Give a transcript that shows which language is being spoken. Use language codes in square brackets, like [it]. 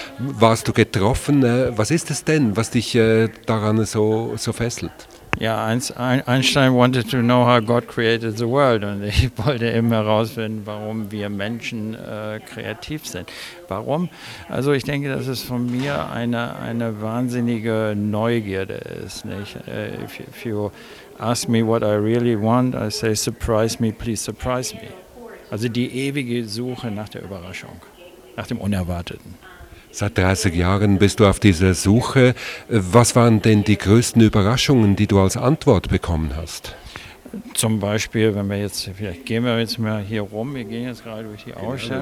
[de] Warst du getroffen? Was ist es denn, was dich daran so fesselt? Ja, Einstein wanted to know how God created the world, und ich wollte eben herausfinden, warum wir Menschen kreativ sind. Warum? Also ich denke, dass es von mir eine wahnsinnige Neugierde ist. Nicht? [en] If you ask me what I really want, I say surprise me, please surprise me. [de] Also die ewige Suche nach der Überraschung, nach dem Unerwarteten. Seit 30 Jahren bist du auf dieser Suche. Was waren denn die größten Überraschungen, die du als Antwort bekommen hast? Zum Beispiel, wenn wir jetzt, vielleicht gehen wir jetzt mal hier rum, wir gehen jetzt gerade durch die Ausstellung.